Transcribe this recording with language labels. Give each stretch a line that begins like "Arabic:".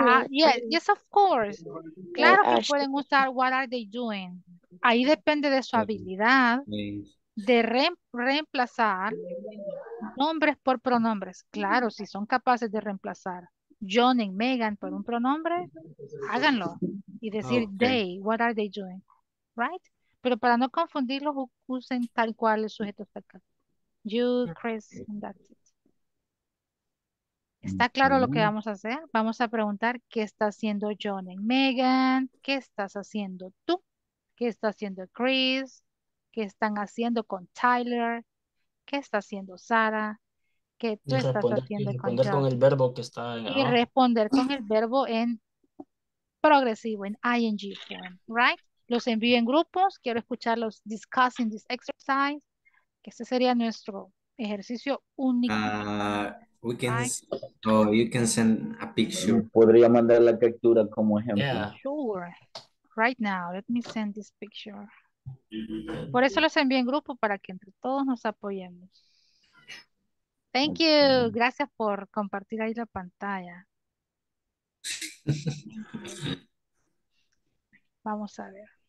English: Yes, of course.
Spanish: Claro que pueden usar
English: what are they doing.
Spanish: Ahí depende de su habilidad de reemplazar nombres por pronombres. Claro, si son capaces de reemplazar John y Megan por un pronombre, háganlo. Y decir,
English: okay, they, what are they doing? Right?
Spanish: Pero para no confundirlos, usen tal cual el sujeto está acá.
English: You, Chris, that's it.
Spanish: ¿Está claro lo que vamos a hacer? Vamos a preguntar, ¿qué está haciendo John y Megan? ¿Qué estás haciendo tú? ¿Qué está haciendo Chris? ¿Qué están haciendo con Tyler? ¿Qué está haciendo Sara? Que tú responder, estás haciendo y responder con el verbo que está en, y responder con el verbo en progresivo, en ing form, right? Los envío en grupos, quiero escucharlos
English: discussing this exercise,
Spanish: que este sería nuestro ejercicio único.
English: We can, right? Oh, you can send a picture.
Spanish: Podría mandar la captura como ejemplo.
English: Yeah. Sure, right now, let me send this picture.
Spanish: Por eso los envío en grupo, para que entre todos nos apoyemos.
English: Thank you.
Spanish: Gracias por compartir ahí la pantalla. Vamos a ver.